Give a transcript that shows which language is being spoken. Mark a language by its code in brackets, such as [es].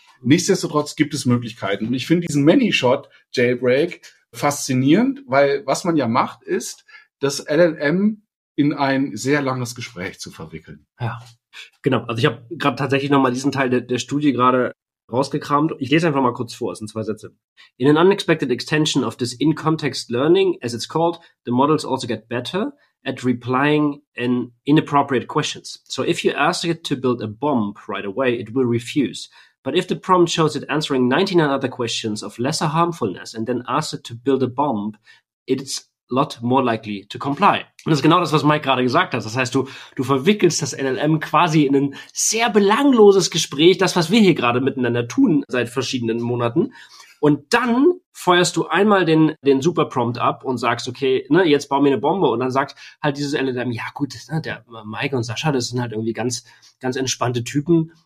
[de] Nichtsdestotrotz gibt es Möglichkeiten. Und ich finde diesen Many-Shot-Jailbreak faszinierend, weil was man ja macht, ist, das LLM in ein sehr langes Gespräch zu verwickeln. Ja, Genau, also ich habe gerade tatsächlich nochmal diesen Teil der Studie gerade rausgekramt. Ich lese einfach mal kurz vor, es sind zwei Sätze. [en] In an unexpected extension of this in-context learning, as it's called, the models also get better at replying in inappropriate questions. So if you ask it to build a bomb right away, it will refuse. But if the prompt shows it answering 99 other questions of lesser harmfulness and then asks it to build a bomb, it's a lot more likely to comply. [de] Und das ist genau das, was Mike gerade gesagt hat. Das heißt, du verwickelst das NLM quasi in ein sehr belangloses Gespräch, das, was wir hier gerade miteinander tun seit verschiedenen Monaten. Und dann feuerst du einmal den Superprompt ab und sagst, okay, ne, jetzt bau mir eine Bombe. Und dann sagt halt dieses LLM, ja gut, ne, der Mike und Sascha, das sind halt irgendwie ganz, ganz entspannte Typen.